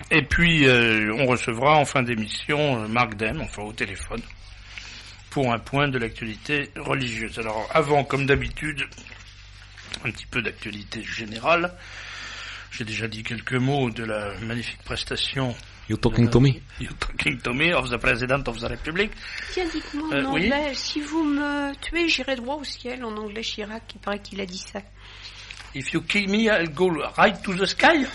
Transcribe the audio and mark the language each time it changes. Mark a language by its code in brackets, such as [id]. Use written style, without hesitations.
[fr] Et puis, on recevra en fin d'émission Marc Dem, enfin au téléphone, pour un point de l'actualité religieuse. Alors, avant, comme d'habitude, un petit peu d'actualité générale. J'ai déjà dit quelques mots de la magnifique prestation... [en] You're talking to me. You're talking to me, of the President of the Republic. [fr] Tiens, dites-moi en anglais, oui. Si vous me tuez, j'irai droit au ciel, en anglais, Chirac, il paraît qu'il a dit ça. [en] If you kill me, I'll go right to the sky.